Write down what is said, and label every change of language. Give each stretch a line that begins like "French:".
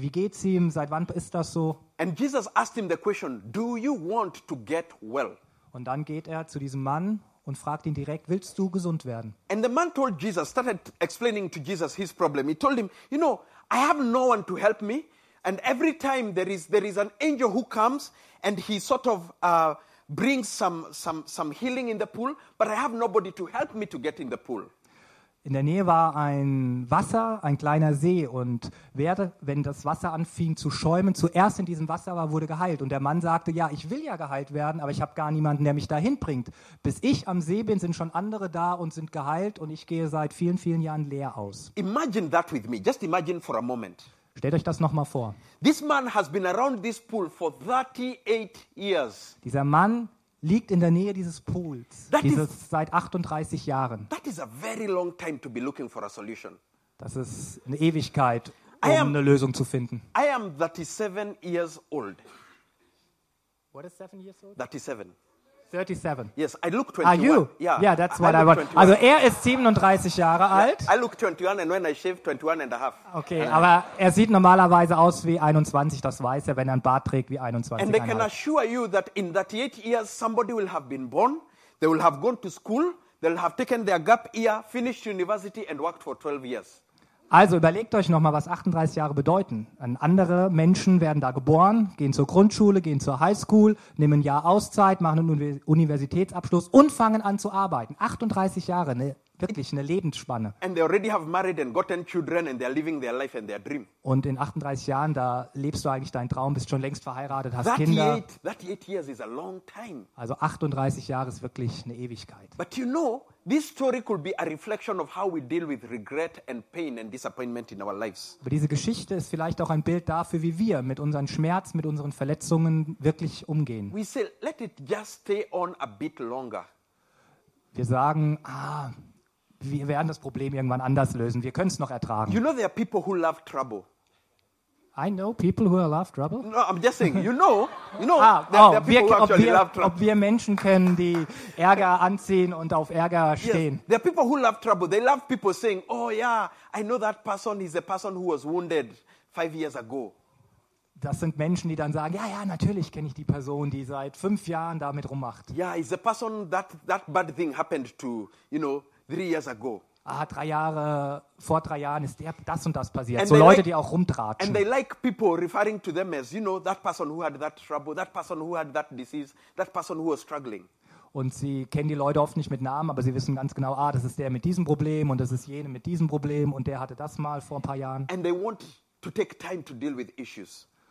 German: Wie geht's ihm? Seit wann ist das so?
English: And Jesus asked him the question, do you want to get well?
German: Und dann geht er zu diesem Mann und fragt ihn direkt, willst du gesund werden?
English: And the man told Jesus, started explaining to Jesus his problem. He told him, you know, I have no one to help me. And every time there is an angel who comes and he sort of brings some healing in the pool, but I have nobody to help me to get in the pool.
German: In der Nähe war ein Wasser, ein kleiner See, und wenn das Wasser anfing zu schäumen, zuerst in diesem Wasser war, wurde geheilt. Und der Mann sagte, ja, ich will ja geheilt werden, aber ich habe gar niemanden, der mich dahin bringt. Bis ich am See bin, sind schon andere da und sind geheilt, und ich gehe seit vielen, vielen Jahren leer aus.
English: Imagine that with me. Just imagine for a moment.
German: Stellt euch das nochmal vor.
English: This man has been around this pool for 38 years.
German: Dieser Mann liegt in der Nähe dieses Pools, seit 38 Jahren.
English: That is a very long time to be looking for a solution.
German: Das ist eine Ewigkeit, eine Lösung zu finden.
English: I am 37 years old. What is 7 years old? 37. 37. Yes, I look 21. Are you? Yeah, yeah, that's what I want. 21.
German: Also er ist 37 Jahre alt.
English: I look 21 and when I shave 21 and a half.
German: Okay, aber er sieht normalerweise aus wie 21, das weiß er, wenn er einen Bart trägt wie 21.
English: And I can assure you that in 38 years somebody will have been born, they will have gone to school, they'll have taken their gap year, finished university and worked for 12 years.
German: Also überlegt euch nochmal, was 38 Jahre bedeuten. Andere Menschen werden da geboren, gehen zur Grundschule, gehen zur Highschool, nehmen ein Jahr Auszeit, machen einen Universitätsabschluss und fangen an zu arbeiten. 38 Jahre, wirklich eine Lebensspanne.
English: And they already have married and gotten children and they're living their life and their dream.
German: Und in 38 Jahren, da lebst du eigentlich deinen Traum, bist schon längst verheiratet, hast
English: 38
German: Kinder.
English: Years is a long time.
German: Also 38 Jahre ist wirklich eine Ewigkeit.
English: But you know, this story could be a reflection of how we deal with regret and pain and disappointment in our lives.
German: Aber diese Geschichte ist vielleicht auch ein Bild dafür, wie wir mit unseren Schmerz, mit unseren Verletzungen wirklich umgehen.
English: We say, let it just stay on a bit longer.
German: Wir sagen, wir werden das Problem irgendwann anders lösen. Wir können es noch ertragen.
English: You know there are people who love trouble. I know people who love trouble. No, I'm just saying. You know. There are people who actually love trouble.
German: Ob wir Menschen kennen, die Ärger anziehen und auf Ärger stehen.
English: Yes, there are people who love trouble. They love people saying, "Oh yeah, I know that person is the person who was wounded 5 years ago."
German: Das sind Menschen, die dann sagen, ja, natürlich kenne ich die Person, die seit 5 Jahren damit rummacht.
English: Yeah, it's the person that bad thing happened to, you know. 3 years ago.
German: Vor 3 Jahren ist das und das passiert.
English: And so
German: Leute, die auch rumtratschen.
English: And they like people referring to them as, you know, that person who had that trouble, that person who had that disease, that person who was struggling.
German: Und sie kennen die Leute oft nicht mit Namen, aber sie wissen ganz genau, das ist der mit diesem Problem und das ist jene mit diesem Problem und der hatte das mal vor ein paar Jahren.
English: And they want to take time to deal with issues.